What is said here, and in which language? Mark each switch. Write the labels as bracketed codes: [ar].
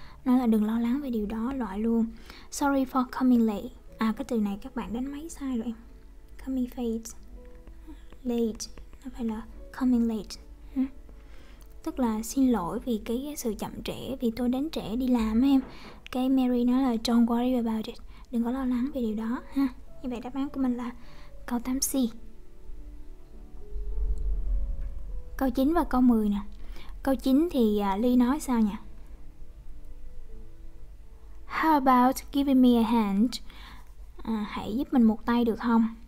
[vi] Nói là đừng lo lắng về điều đó, loại luôn. [en] Sorry for coming late. [vi] À, cái từ này các bạn đánh máy sai rồi. [en] Coming late. [vi] Late. Nó phải là coming late. Tức là xin lỗi vì cái sự chậm trễ, vì tôi đến trễ đi làm em. Cái Mary nói là [en] don't worry about it. [vi] Đừng có lo lắng về điều đó ha. Như vậy đáp án của mình là câu 8C. Câu 9 và câu 10 nè. Câu 9 thì Ly nói sao nhỉ? [en] How about giving me a hand? [vi] Hãy giúp mình một tay được không?